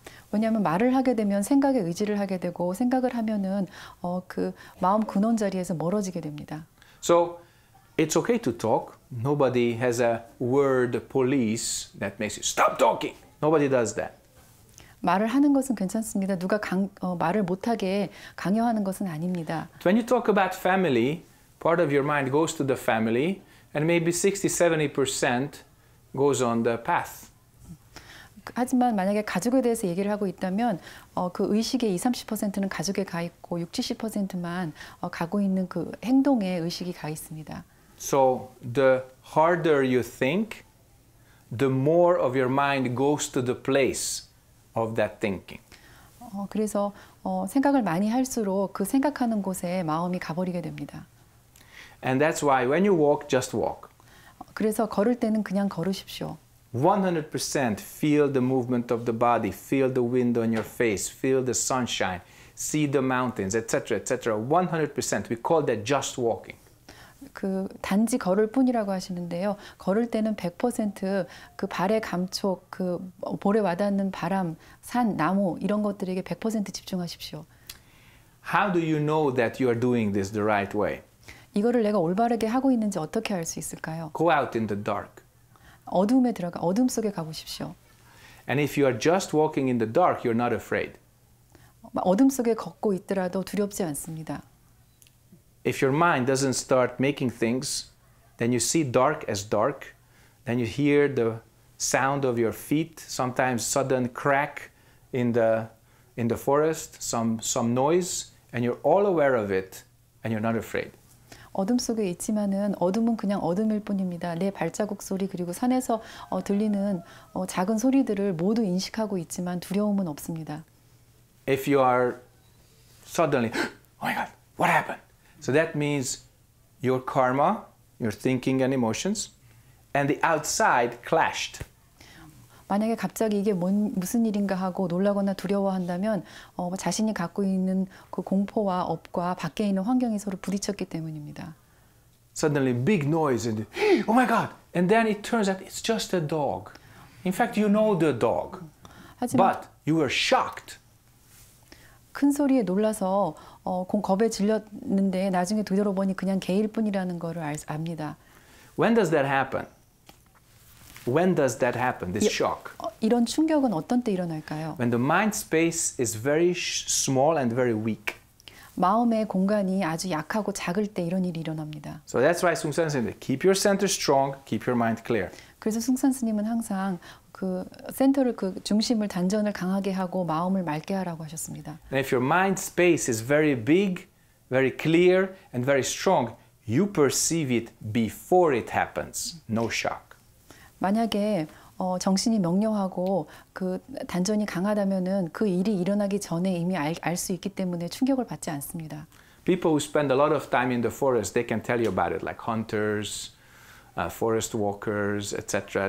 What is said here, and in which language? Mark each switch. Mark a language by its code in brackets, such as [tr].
[ko] 왜냐하면 말을 하게 되면 생각에 의지를 하게 되고 생각을 하면은 그 마음 근원 자리에서 멀어지게 됩니다. [en] So it's okay to talk. Nobody has a word police that makes you stop talking. Nobody does that. [ko] 말을 하는 것은 괜찮습니다. 누가 말을 못하게 강요하는 것은 아닙니다. [en] When you talk about family, part of your mind goes to the family, and maybe 60-70% goes on the path. [ko] 하지만 만약에 가족에 대해서 얘기를 하고 있다면 그 의식의 20-30%는 가족에 가 있고 60-70%만 가고 있는 그 행동에 의식이 가 있습니다. [en] So the harder you think, the more of your mind goes to the place of that thinking. [ko] 그래서 생각을 많이 할수록 그 생각하는 곳에 마음이 가버리게 됩니다. [en] And that's why when you walk, just walk. [ko] 그래서 걸을 때는 그냥 걸으십시오. [en] 100% feel the movement of the body, feel the wind on your face, feel the sunshine, see the mountains, etc., etc. 100%. We call that just walking. [ko] 그 단지 걸을 뿐이라고 하시는데요. 걸을 때는 100% 그 발의 감촉, 그 볼에 와닿는 바람, 산, 나무 이런 것들에게 100% 집중하십시오. [en] How do you know that you are doing this the right way? [ko] 이거를 내가 올바르게 하고 있는지 어떻게 알 수 있을까요? [en] Go out in the dark. [ko] 어둠에 들어가 어둠 속에 가 보십시오. [en] And if you are just walking in the dark, you're not afraid. [ko] 어둠 속에 걷고 있더라도 두렵지 않습니다. [en] If your mind doesn't start making things, then you see dark as dark, then you hear the sound of your feet, sometimes sudden crack in the forest, some noise, and you're all aware of it and you're not afraid. [ko] 어둠 속에 있지만은 어둠은 그냥 어둠일 뿐입니다. 내 발자국 소리 그리고 산에서 들리는 작은 소리들을 모두 인식하고 있지만 두려움은 없습니다. [en] If you are suddenly, oh my God, what happened? So that means your karma, your thinking and emotions, and the outside clashed. [ko] 만약에 갑자기 이게 무슨 일인가 하고 놀라거나 두려워한다면 자신이 갖고 있는 그 공포와 업과 밖에 있는 환경이 서로 부딪혔기 때문입니다. [en] Suddenly big noise and oh my god. And then it turns out it's just a dog. In fact, you know the dog. [ko] 하지만 [en] but you were shocked. [ko] 큰 소리에 놀라서 겁에 질렸는데 나중에 뒤돌아보니 그냥 개일 뿐이라는 거를 압니다. [en] When does that happen? When does that happen, this shock? [ko] 이런 충격은 어떤 때 일어날까요? [en] When the mind space is very small and very weak. [ko] 마음의 공간이 아주 약하고 작을 때 이런 일이 일어납니다. [en] So that's why 숭산 스님, keep your center strong, keep your mind clear. [ko] 그래서 숭산 스님은 항상 그 센터를 그 중심을 단전을 강하게 하고 마음을 맑게 하라고 하셨습니다. [en] And if your mind space is very big, very clear and very strong, you perceive it before it happens. No shock. [ko] 만약에 정신이 명료하고 그 단전이 강하다면은 그 일이 일어나기 전에 이미 알 수 있기 때문에 충격을 받지 않습니다. [en] People who spend a lot of time in the forest, they can tell you about it, like hunters, forest walkers, etc.